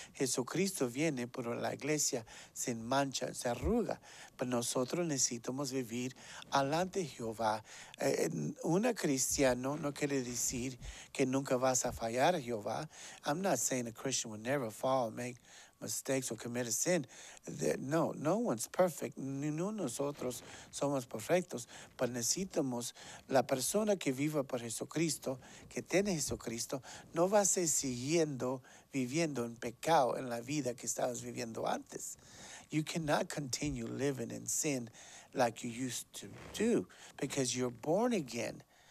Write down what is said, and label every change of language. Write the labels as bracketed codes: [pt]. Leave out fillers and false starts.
[es] Jesucristo viene por la iglesia sin mancha, sin arruga. Pero nosotros necesitamos vivir alante Jehová. Una cristiano no quiere decir que nunca vas a fallar a Jehová. [en] I'm not saying a Christian will never fall, make mistakes or commit a sin. No, no one's perfect. [es] Ni nosotros somos perfectos. Pero necesitamos la persona que viva por Jesucristo, que tiene Jesucristo, no va a ser siguiendo viviendo en pecado en la vida que estabas viviendo antes. [en] You cannot continue living in sin like you used to do because you're born again.